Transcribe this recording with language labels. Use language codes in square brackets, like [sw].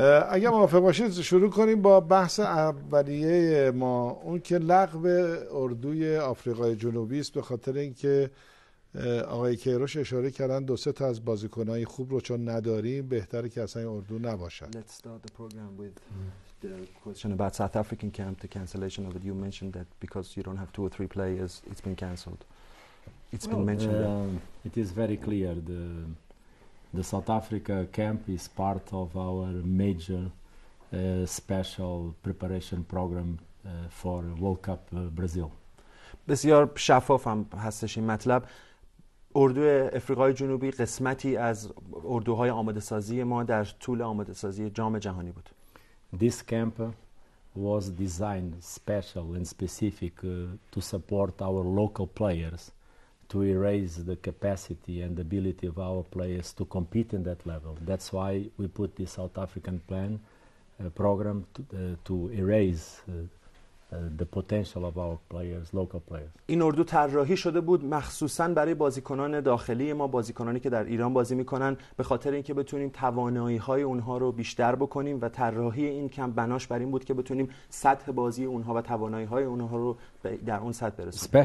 [fa] اگه موافق باشید شروع کنیم با بحث اولیه ما، اون که لغو اردوی آفریقای جنوبی است، به خاطر اینکه آقای کیروش اشاره کردن دو سه تا از بازیکنای خوب رو چون نداریم بهتره که اصلا اردو نباشد. [en] Let's start the program with the question about South African camp, the cancellation of it. You mentioned that because you don't have two or three players, it's been cancelled. It's been mentioned. It is very clear. The South Africa camp is part of our major special preparation program for World Cup Brazil. [fa] بسیار شفاف هم هستش این مطلب. اردو افریقای جنوبی قسمتی از اردوهای آماده سازی ما در طول آماده سازی جام جهانی بود. [en] This camp was designed special and specific to support our local players to raise the capacity and ability of our players to compete in that level. That's why we put the South African plan program to raise the potential of our players, local players. [fa] این اردو طراحی شده بود مخصوصا برای بازیکنان داخلی ما، بازیکنانی که در ایران بازی میکنن، به خاطر اینکه بتونیم توانایی های اونها رو بیشتر بکنیم و طراحی این کمپ بناش بر این بود که بتونیم سطح بازی اونها و توانایی های اونها رو در اون سطح برسونیم.